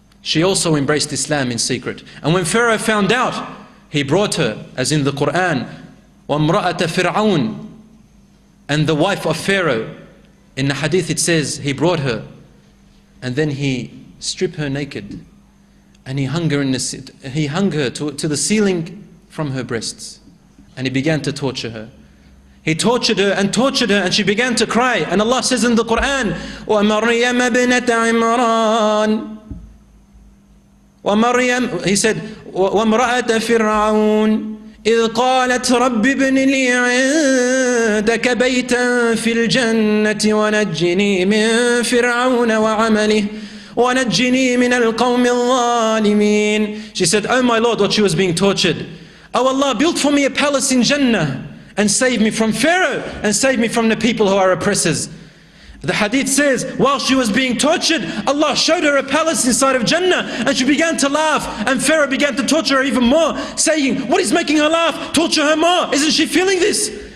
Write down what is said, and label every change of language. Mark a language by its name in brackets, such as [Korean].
[English] She also embraced Islam in secret. And when Pharaoh found out, he brought her, as in the Quran, [Arabic] وَامْرَأَةَ فِرْعَوْن, [English] and the wife of Pharaoh. In the hadith it says, he brought her and then he stripped her naked and he hung her to the ceiling from her breasts and he began to torture her. He tortured her and she began to cry. And Allah says in the Quran, [Arabic] وَمَرْيَمَ بِنَتَ عِمْرَانِ ومريم, [English] he said, [Arabic] وامرأت فرعون إذ قالت رب ابن لي عندك بيتا في الجنة ونجني من فرعون وعمله ونجني من القوم الظالمين. [English] She said, oh my Lord, what she was being tortured. Oh Allah, build for me a palace in Jannah and save me from Pharaoh and save me from the people who are oppressors. The hadith says, while she was being tortured, Allah showed her a palace inside of Jannah and she began to laugh, and Pharaoh began to torture her even more, saying, what is making her laugh? Torture her more. Isn't she feeling this?